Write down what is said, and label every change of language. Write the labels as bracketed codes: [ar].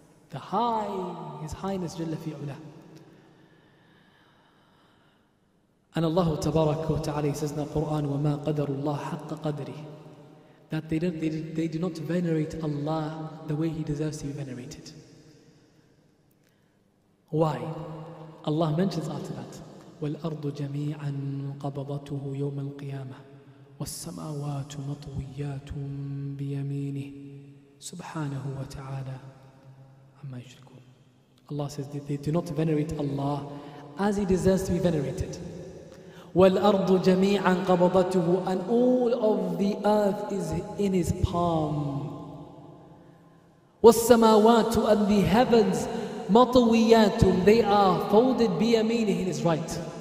[en] the high, His Highness [ar] Jalla fi Ula. [en] And Allah Tabaraka wa Ta'ala says in the Quran, [ar] وَمَا قَدَرُ اللَّهُ حَقَّ قَدْرِهِ, [en] that they do not venerate Allah the way He deserves to be venerated. Why? Allah mentions after that, [ar] وَالْأَرْضُ جَمِيعًا قَبَضَتُهُ يَوْمَ الْقِيَامَةِ وَالسَّمَاوَاتُ مَطْوِيَّاتٌ بِيَمِينِهِ سُبْحَانَهُ وَتَعَالَى عَمَّا يُشْرِكُونَ. [en] Allah says that they do not venerate Allah as He deserves to be venerated. [ar] وَالْأَرْضُ جَمِيعًا قَبَضَتُهُ, [en] and all of the earth is in His palm. وَالسَّمَاوَاتُ, and the heavens, مَطْوِيَّاتٌ, they are folded بِيَمِينِهِ, in His right.